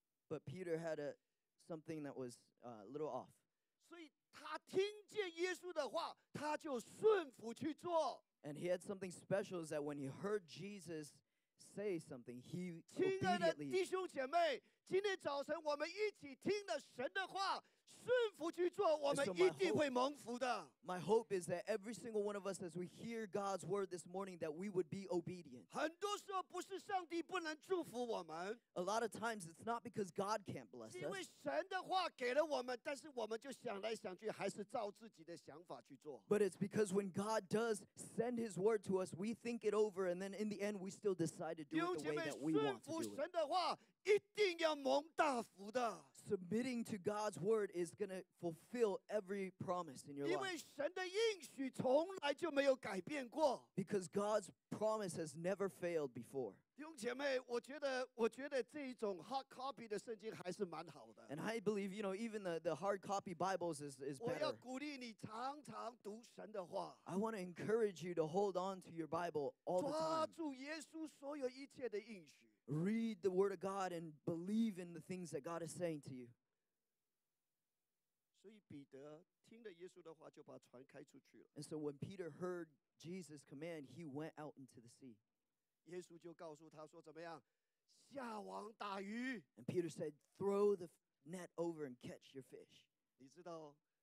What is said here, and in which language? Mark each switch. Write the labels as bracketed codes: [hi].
[en] But Peter had something that was a little off. So, he heard Jesus' word, and he obeyed it. And he had something special is that when he heard Jesus say something, he immediately. [zh] 亲爱的弟兄姐妹，今天早晨我们一起听了神的话，顺服去做，我们一定会蒙福的。 [en] My hope is that every single one of us, as we hear God's word this morning, that we would be obedient. [zh] 很多时候不是上帝不能祝福我们。 [en] A lot of times it's not because God can't bless us. [zh] 因为神的话给了我们，但是我们就想来想去，还是照自己的想法去做。 [en] But it's because when God does send His word to us, we think it over, and then in the end, we still decide to do it the way that we want to do it. [zh] 顺服神的话。一定要蒙大福的。 [en] Submitting to God's word is going to fulfill every promise in your life. [zh] 因为神的应许从来就没有改变过。 [en] Because God's promise has never failed before. [zh] 弟兄姐妹，我觉得这一种 hard copy 的圣经还是蛮好的。 [en] And I believe, you know, even the hard copy Bibles is better. [zh] 我要鼓励你常常读神的话。 [en] I want to encourage you to hold on to your Bible all the time. [zh] 抓住耶稣所有一切的应许。 [en] Read the word of God and believe in the things that God is saying to you. And so when Peter heard Jesus' command, he went out into the sea. And Peter said, throw the net over and catch your fish.